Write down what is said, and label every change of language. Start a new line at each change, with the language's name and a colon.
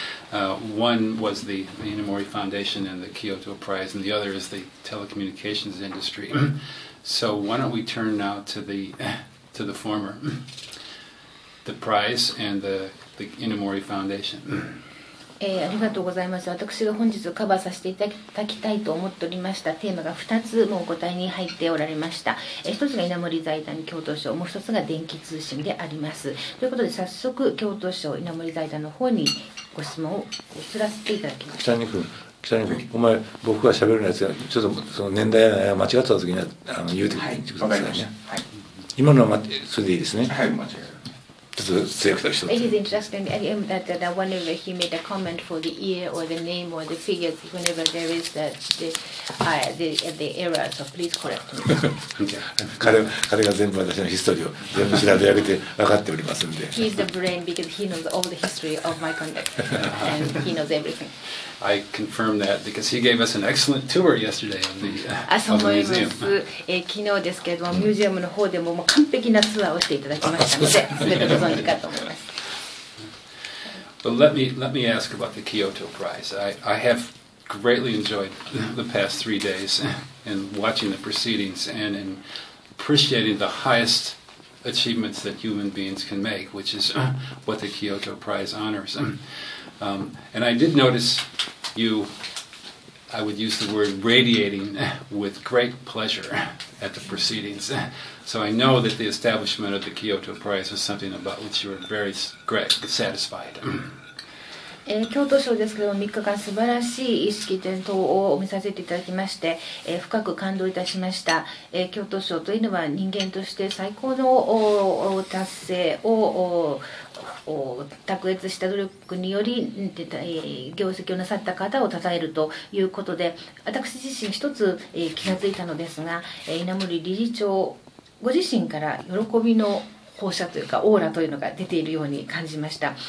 English: One was the Inamori Foundation and the Kyoto Prize, and the other is the telecommunications industry. So why don't we turn now to the former, the prize and the Inamori Foundation.
Japanese: ありがとうございます。私が本日カバーさせていただきたいと思っておりましたテーマが2つもうお答えに入っておられました。 1つが稲盛財団京都賞、もう1つが電気通信であります。ということで早速京都賞稲盛財団の方にご質問を移らせていただきます。北谷君、北谷君、お前僕が喋るやつがちょっとその年代が間違った時には言うてください、ね。はい、わかりました。はい、今のはそれでいいですね。はい、間違いない。
English: He's interested in that whenever he made a comment for the year or the name or the figures, whenever there is the error, so please correct me.
Japanese: 彼が全部私のヒストリーを全部調べ上げて分かっておりますんで。
English: He's the brain because he knows all the history of my conduct and he knows everything. I confirm that because he gave us an excellent tour yesterday on the museum.
Japanese: 昨日ですけれども、ミュージアムの方でも完璧なツアーをしていただきましたので、それでご存知かと思います。
English: But let me ask about the Kyoto Prize. I have greatly enjoyed the past three days in watching the proceedings and in appreciating the highest achievements that human beings can make, which is what the Kyoto Prize honors. And I did notice you, I would use the word radiating with great pleasure at the proceedings. So I know that the establishment of the Kyoto Prize was something about which you were very satisfied.
Japanese: 京都賞ですけども3日間素晴らしい意識点灯を見させていただきまして、深く感動いたしました。京都賞というのは人間として最高の達成を卓越した努力により業績をなさった方を称えるということで、私自身一つ気がついたのですが、稲森理事長ご自身から喜びの放射というかオーラというのが出ているように感じました。